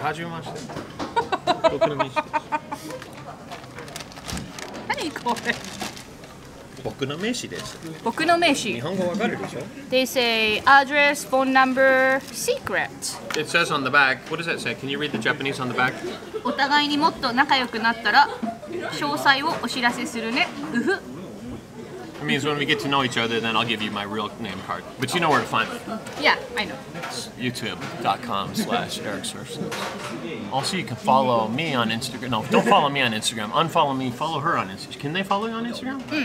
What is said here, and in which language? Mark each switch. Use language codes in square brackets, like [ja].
[en] how do you want it? [ja] Boku no Meishi. Boku no Meishi desu. Boku no Meishi. [en] They say address, phone number, secret. It says on the back, what does that say? Can you read the Japanese on the back? [ja] お互いにもっと仲良くなったら詳細をお知らせするね。うふ。 [en] It means when we get to know each other, then I'll give you my real name card. But you know where to find me. Yeah, I know. YouTube.com/EricSurfSix. Also, you can follow me on Instagram. No, don't follow me on Instagram. Unfollow me. Follow her on Instagram. Can they follow you on Instagram?